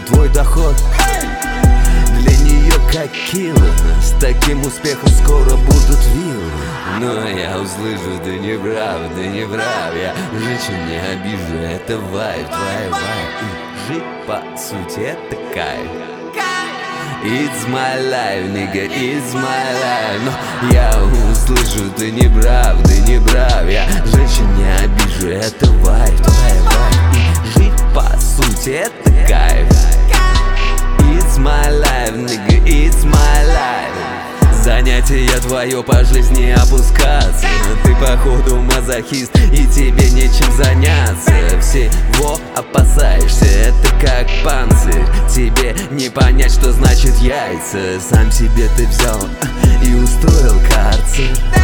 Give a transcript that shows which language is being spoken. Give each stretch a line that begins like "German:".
Russian: Твой доход для нее как килы. С таким успехом скоро будут виллы. Но я услышу, ты не прав, ты не прав. Я женщин не обижу, это вайб, твоя вайб. И жить по сути это кайф.
English: It's my life, nigga, it's my life.
Russian: Но я услышу, ты не прав, ты не прав. Я женщин не обижу, это вайб, твоя вайб. И жить по сути это кайф.
English: It's my life, nigga, it's my life.
Russian: Занятие твое по жизни опускаться. Ты походу мазохист и тебе нечем заняться. Всего опасаешься, это как панцирь. Тебе не понять, что значит яйца. Сам себе ты взял и устроил карцер.